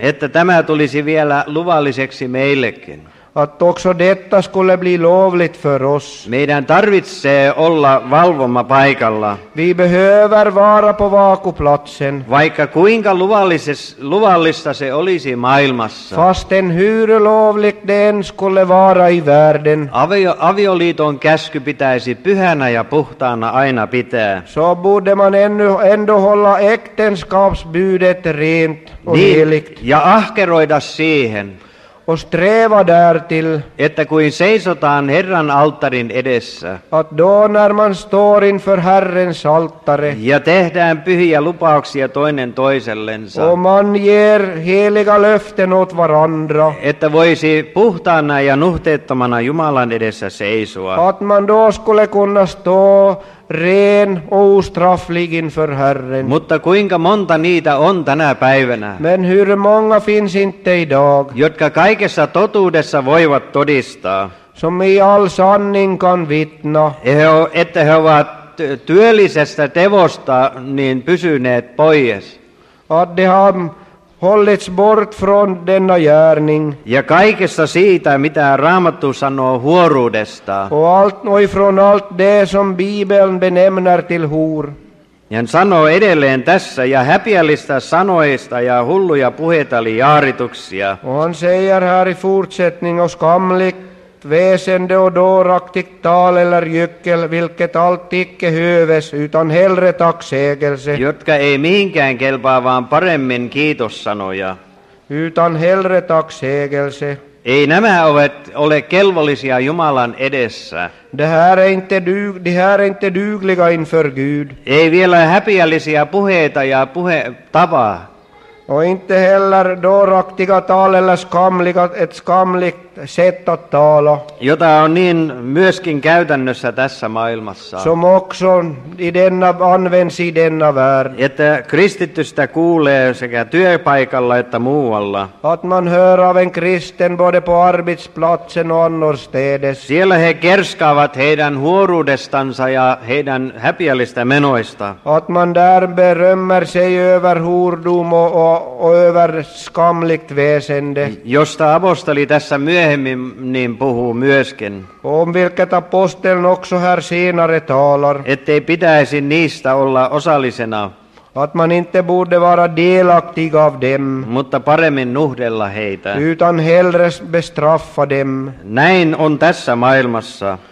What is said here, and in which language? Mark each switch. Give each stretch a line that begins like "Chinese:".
Finnish: Että tämä tulisi vielä luvalliseksi meillekin.
Swedish: Att också detta skulle bli lovligt för oss.
Finnish: Meidän tarvitsee olla valvoma paikalla.
Swedish: Vi behöver vara på vakuplatsen.
Finnish: Vaikka kuinka luvallista se olisi maailmassa.
Swedish: Fasten hur lovligt det än skulle vara i världen.
Finnish: Avioliiton käsky pitäisi pyhänä ja puhtaana aina pitää.
Swedish: Så borde man ändå hålla äktenskapsbudet rent och heligt.
Finnish: Ja ahkeroida siihen.
Swedish: Och sträva därtill.
Finnish: Että kuin seisotaan Herran alttarin edessä.
Swedish: Att då när man står inför Herrens altare.
Finnish: Ja tehdään pyhiä lupauksia toinen toisellensa.
Swedish: Och man ger heliga löften åt varandra.
Finnish: Että voisi puhtaana ja nuhteettomana Jumalan edessä seisoa.
Swedish: Att man då skulle kunna stå ren och ostrafflig inför Herren.
Finnish: Mutta kuinka monta niitä on tänä päivänä?
Swedish: Men hur många finns inte idag?
Finnish: Jotka kaikessa totuudessa voivat todistaa.
Swedish: Som i all sanning kan vittna.
Finnish: Että he ovat työllisestä tevosta niin pysyneet pois.
Swedish: Att de har hållits bort från denna gärning.
Finnish: Ja kaikessa siitä, mitä Raamattu sanoo huoruudesta.
Swedish: Och från allt det som Bibeln benämner till hur.
Finnish: Hän sanoo edelleen tässä, ja häpiällistä sanoista ja hulluja puheita eli jaarituksia.
Swedish: Och han säger här i fortsättning och skamligt väsende och dåraktigt tal eller gyckel, vilket allt icke höves, utan hellre tacksägelse.
Finnish: Jotka ei mihinkään kelpaa, vaan paremmin kiitossanoja.
Swedish: Utan hellre tacksägelse.
Finnish: Ei nämä ole kelvollisia Jumalan edessä.
Swedish: De här är inte dugliga inför Gud.
Finnish: Ei vielä häpiällisiä puheita ja puhetapaa.
Swedish: Och inte heller dåraktiga tal eller skamliga, ett skamligt sätt att tala.
Finnish: Jota on niin myöskin käytännössä tässä maailmassa.
Swedish: Som också i denna, används i denna värld.
Finnish: Että kristitystä kuulee sekä työpaikalla että muualla.
Swedish: Att man hör av en kristen både på arbetsplatsen och annorstädes.
Finnish: Siellä he kerskaavat heidän huoruudestansa ja heidän häpiällistä menoista.
Swedish: Att man där berömmer sig över hurdum över skamligt väsende.
Finnish: Josta apostoli tässä myöhemmin niin puhuu myöskin.
Swedish: Om vilket aposteln också här senare talar.
Finnish: Ettei pitäisi niistä olla osallisena.
Swedish: Att man inte borde vara delaktig av dem.
Finnish: Mutta paremmin nuhdella heitä.
Swedish: Utan hellre bestraffa dem.
Finnish: Näin on tässä maailmassa.